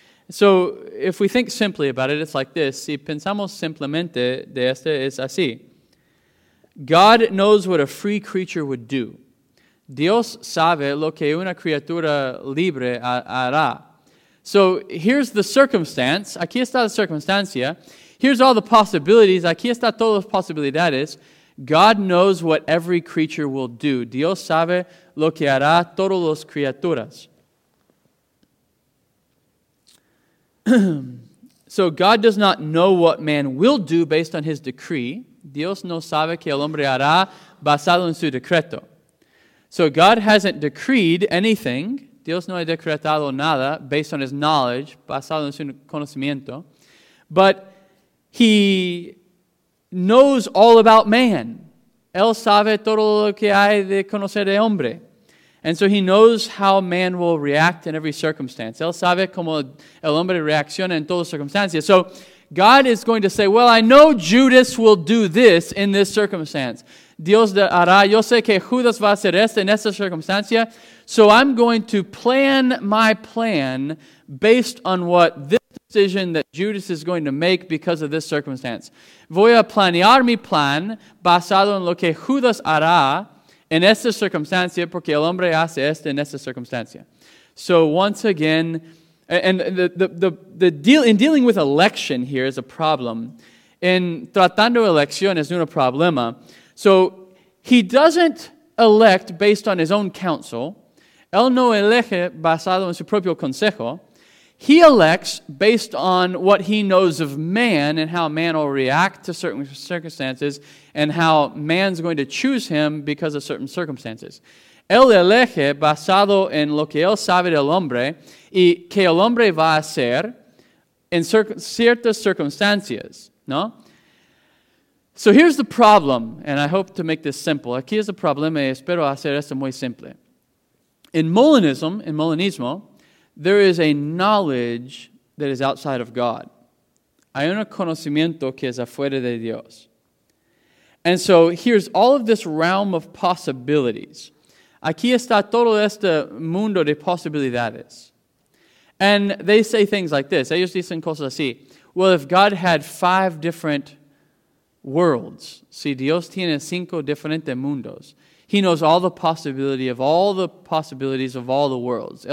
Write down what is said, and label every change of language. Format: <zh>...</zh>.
<en>So, if we think simply about it, it's like this.</en> <es>Si pensamos simplemente de este, es así.</es> <en>God knows what a free creature would do.</en> <es>Dios sabe lo que una criatura libre hará.</es> <en>So, here's the circumstance.</en> <es>Aquí está la circunstancia.</es> <en>Here's all the possibilities.</en> <es>Aquí está todas las posibilidades.</es> <en>God knows what every creature will do.</en> <es>Dios sabe lo que hará todas las criaturas.</es> <en>So God does not know what man will do based on his decree.</en> <es>Dios no sabe que el hombre hará basado en su decreto.</es> <en>So God hasn't decreed anything.</en> <es>Dios no ha decretado nada</es> <en>based on his knowledge,</en> <es>basado en su conocimiento.</es> <en>But he knows all about man.</en> <es>Él sabe todo lo que hay de conocer de hombre.</es> <en>And so he knows how man will react in every circumstance.</en> <es>Él sabe cómo el hombre reacciona en todas las circunstancias.</es> <en>So God is going to say, well, I know Judas will do this in this circumstance.</en> <es>Dios hará, yo sé que Judas va a hacer esto en esta circunstancia.</es> <en>So I'm going to plan my plan based on what this decision that Judas is going to make because of this circumstance.</en> <es>Voy a planear mi plan basado en lo que Judas hará en esta circunstancia porque el hombre hace esto en esta circunstancia.</es> <en>So once again, and the deal in dealing with election here is a problem.</en> <es>En tratando elección es un problema.</es> <en>So he doesn't elect based on his own counsel.</en> <es>Él no elige basado en su propio consejo.</es> <en>He elects based on what he knows of man and how man will react to certain circumstances and how man's going to choose him because of certain circumstances.</en> <es>Él elige basado en lo que él sabe del hombre y que el hombre va a hacer en ciertas circunstancias, ¿no?</es> <en>So here's the problem, and I hope to make this simple.</en> <es>Aquí es el problema y espero hacer esto muy simple.</es> <en>In Molinismo, there is a knowledge that is outside of God.</en> <es>Hay un conocimiento que es afuera de Dios.</es> <en>And so here's all of this realm of possibilities.</en> <es>Aquí está todo este mundo de posibilidades.</es> <en>And they say things like this.</en> <es>Ellos dicen cosas así.</es> <en>Well, if God had five different worlds,</en> <es>si Dios tiene cinco diferentes mundos,</es> <en>he knows all the possibility of all the possibilities of all the worlds.</en>